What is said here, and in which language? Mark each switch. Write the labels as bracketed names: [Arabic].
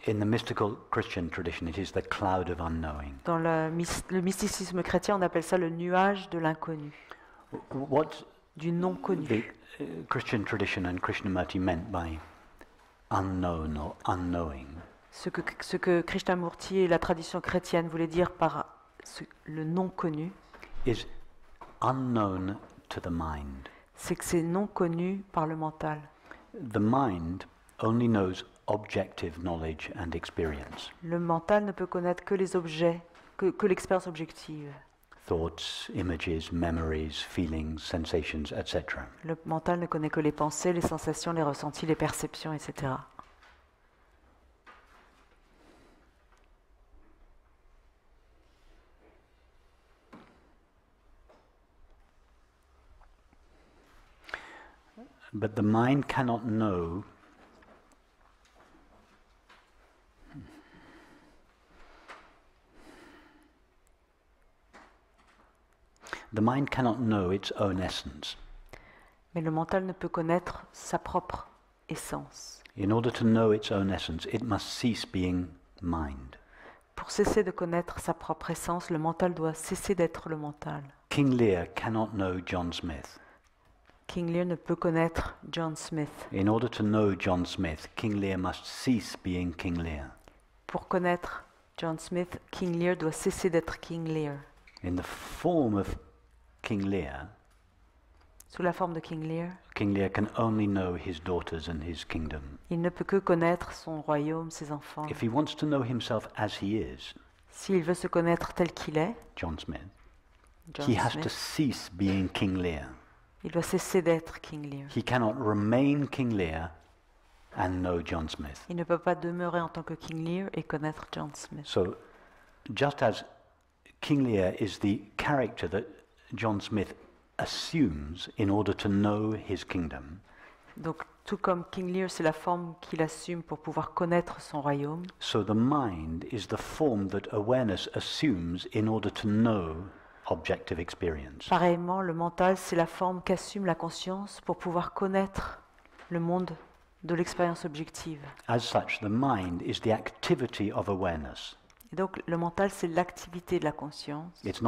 [English] In the mystical Christian tradition, it is the cloud of unknowing. [French] Dans le mysticisme chrétien, on appelle ça le nuage de l'inconnu. [English] What [French] du non connu. [English] The Christian tradition and Krishnamurti meant by unknown or unknowing. [French] Ce que Krishnamurti et la tradition chrétienne voulaient dire par le non connu, [English] is unknown to the mind. [French] C'est que c'est non connu par le mental. [English] The mind only knows objective knowledge and experience. [French] Le mental ne peut connaître que les objets, que l'expérience objective. [English] Thoughts, images, memories, feelings, sensations, etc. [French] Le mental ne connaît que les pensées, les sensations, les ressentis, les perceptions, etc. [English] But the mind cannot know its own essence. [French] Mais le mental ne peut connaître sa propre essence. [English] In order to know its own essence, it must cease being mind. [French] Pour cesser de connaître sa propre essence, le mental doit cesser d'être le mental. [English] King Lear cannot know John Smith. [French] King Lear ne peut connaître John Smith. [English] In order to know John Smith, King Lear must cease being King Lear. [French] Pour connaître John Smith, King Lear doit cesser d'être King Lear. [English] In the form of King Lear, [French] sous la forme de King Lear, [English] King Lear can only know his daughters and his kingdom. [French] Il ne peut que connaître son royaume, ses enfants. [English] If he wants to know himself as he is, [French] s'il veut se connaître tel qu'il est, [English] John Smith, [French] John Smith [English] has to cease being King Lear. [French] Il doit cesser d'être King Lear. [English] He cannot remain King Lear and know John Smith. [French] Il ne peut pas demeurer en tant que King Lear et connaître John Smith. [English] So, just as King Lear is the character that John Smith assumes in order to know his kingdom. [French] Donc, tout comme King Lear, c'est la forme qu'il assume pour pouvoir connaître son royaume. [English] So the mind is the form that awareness assumes in order to know objective experience. [French] Pareillement, le mental, c'est la forme qu'assume la conscience pour pouvoir connaître le monde de l'expérience objective. [English] As such, the mind is the activity of awareness. [French] Et donc, le mental, c'est l'activité de la conscience.